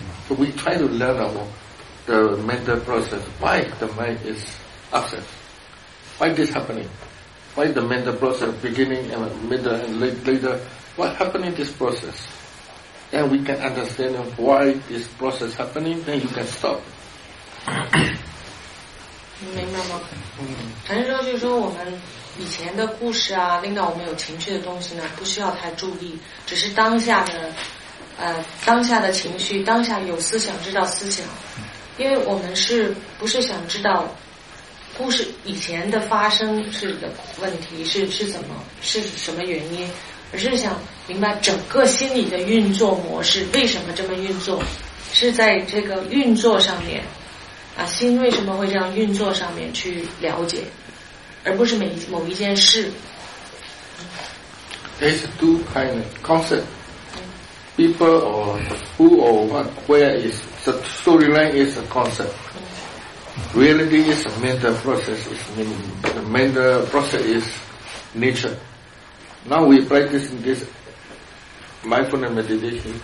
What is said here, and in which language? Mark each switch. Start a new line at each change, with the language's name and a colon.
English: So we try to learn about the mental process. Why the mind is upset? Why this happening? Why the mental process beginning and middle and later? What happening this process? And we can understand why this process happening, then you can stop.
Chinese: 明白吗？禅师说，就是说我们以前的故事啊，令到我们有情绪的东西呢，不需要太注意，只是当下的，当下的情绪，当下有思想，知道思想，因为我们是不是想知道故事以前的发生是的问题是怎么是什么原因，而是想明白整个心理的运作模式为什么这么运作，是在这个运作上面。啊，心为什么会这样运作上面去了解，而不是某一件事。
English: There's two kind of concept. People or who or what, where is the storyline is a concept. Reality is a mental process. It's meaning the mental process is nature. Now we practice in this mindfulness meditation.